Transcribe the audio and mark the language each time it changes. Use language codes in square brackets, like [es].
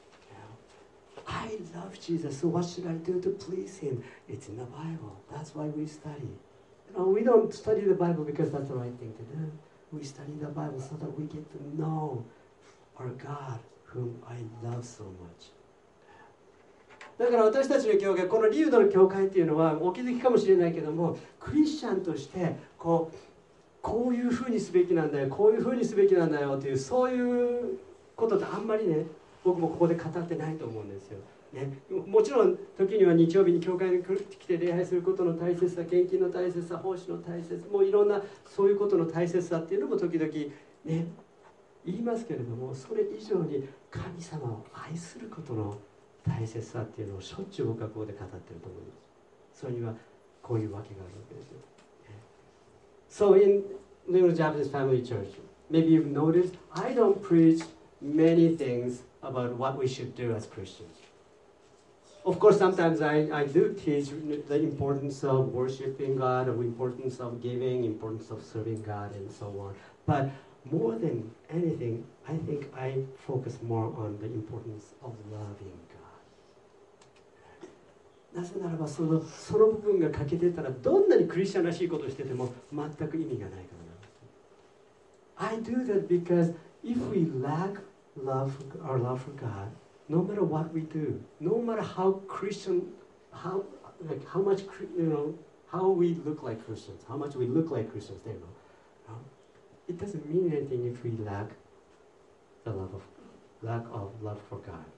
[en] You know, I love Jesus, so what should I do to please him? It's in the Bible. That's why we study. You know, we don't study the Bible because that's the right thing to do. We study the Bible so that we get to know our God. Whom I love so much. [ja] だから私たちの教会、このリウドの教会っていうのはお気づきかもしれないけども、クリスチャンとしてこういうふうにすべきなんだよ、こういうふうにすべきなんだよっていう、そういうことってあんまりね、僕もここで語ってないと思うんですよ、ね、もちろん時には日曜日に教会に来て礼拝することの大切さ、献金の大切さ、奉仕の大切さ、もういろんなそういうことの大切さっていうのも時々ね言いますけれども、それ以上に神様を愛することの大切さっていうのをしょっちゅう僕はここで語ってると思います。それにはこういうわけがあるわけですよ。 [en] So in Little Japanese Family Church, maybe you've noticed I don't preach many things about what we should do as Christians. Of course sometimes I do teach the importance of worshiping God, the importance of giving, importance of serving God and so on, butMore than anything, I think I focus more on the importance of loving God. [ja] なぜならば、その部分が欠けてたら、どんなにクリスチャンらしいことをしてても全く意味がないからなんです。 [en] I do that because if we lack love, our love for God, no matter what we do, no matter how Christian, how, like, how much, you know, how we look like Christians, how much we look like Christians, you know,It doesn't mean anything if we lack the lack of love for God.